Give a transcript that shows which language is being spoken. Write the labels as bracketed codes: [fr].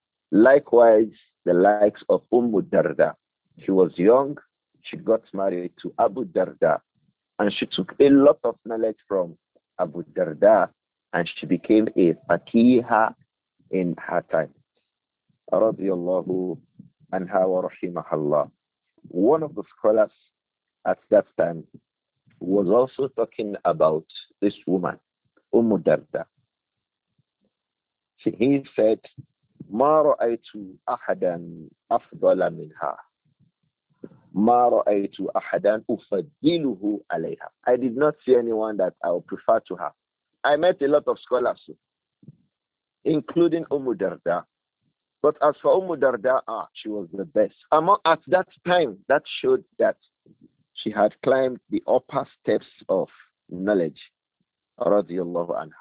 [en] Likewise, the likes of Ummu Darda. She was young, she got married to Abu Darda, and she took a lot of knowledge from Abu Darda, and she became a faqiha in her time. Radiallahu anha wa rahimahallah. One of the scholars at that time was also talking about this woman, Ummu Darda. He said, [ar] ما رأيت أحدا أفضل منها. ما رأيت أحدا أفضله عليها. [en] I did not see anyone that I would prefer to her. I met a lot of scholars, including Ummu Darda. But as for Ummu Darda, she was the best. At that time, that showed that she had climbed the upper steps of knowledge. Radiallahu anha.